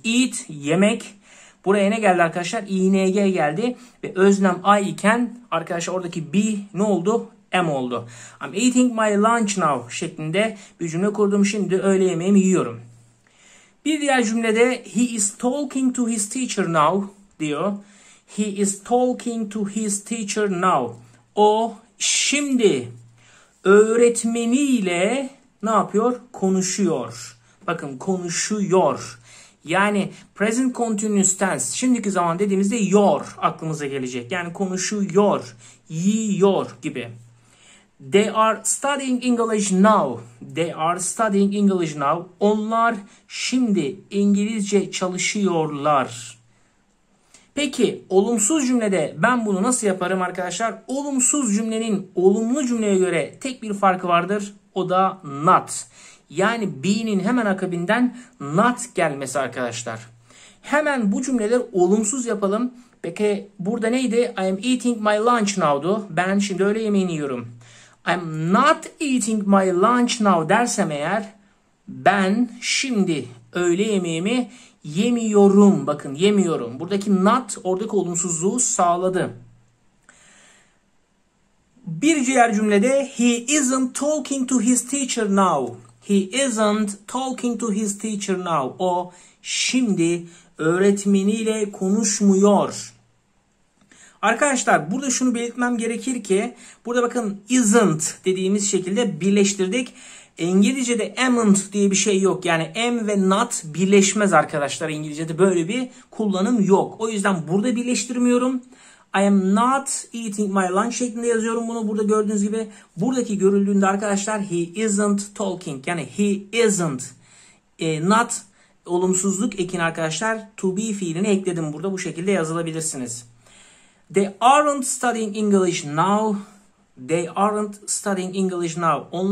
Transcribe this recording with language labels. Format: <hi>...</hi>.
<tr>Eat, yemek. Buraya ne geldi arkadaşlar? ING geldi ve öznem I iken arkadaşlar oradaki be ne oldu? Am oldu.</tr> <en>I'm eating my lunch now</en> <tr>şeklinde bir cümle kurdum. Şimdi öğle yemeğimi yiyorum. Bir diğer cümlede</tr> <en>he is talking to his teacher now</en> <tr>diyor.</tr> <en>He is talking to his teacher now.</en> <tr>O şimdi öğretmeniyle ne yapıyor? Konuşuyor. Bakın konuşuyor. Yani present continuous tense, şimdiki zaman dediğimizde your aklımıza gelecek. Yani konuşuyor, yiyor gibi.</tr> <en>They are studying English now. They are studying English now.</en> <tr>Onlar şimdi İngilizce çalışıyorlar. Peki olumsuz cümlede ben bunu nasıl yaparım arkadaşlar? Olumsuz cümlenin olumlu cümleye göre tek bir farkı vardır. O da not. Yani be'nin hemen akabinden not gelmesi arkadaşlar. Hemen bu cümleleri olumsuz yapalım. Peki burada neydi?</tr> <en>I am eating my lunch now'du.</en> <tr>Ben şimdi öğle yemeğini yiyorum.</tr> <en>I am not eating my lunch now</en> <tr>dersem eğer, ben şimdi öğle yemeğimi yemiyorum. Bakın yemiyorum. Buradaki not oradaki olumsuzluğu sağladı. Bir diğer cümlede</tr> <en>he isn't talking to his teacher now. He isn't talking to his teacher now.</en> <tr>O şimdi öğretmeniyle konuşmuyor. Arkadaşlar burada şunu belirtmem gerekir ki burada bakın isn't dediğimiz şekilde birleştirdik. İngilizce'de amn't diye bir şey yok. Yani am ve not birleşmez arkadaşlar. İngilizce'de böyle bir kullanım yok. O yüzden burada birleştirmiyorum.</tr> <en>I am not eating my lunch</en> <tr>şeklinde yazıyorum bunu. Burada gördüğünüz gibi buradaki görüldüğünde arkadaşlar</tr> <en>he isn't talking.</en> <tr>Yani he isn't. Not olumsuzluk ekini arkadaşlar to be fiilini ekledim burada. Bu şekilde yazılabilirsiniz.</tr> <en>They aren't studying English now. They aren't studying English now.</en>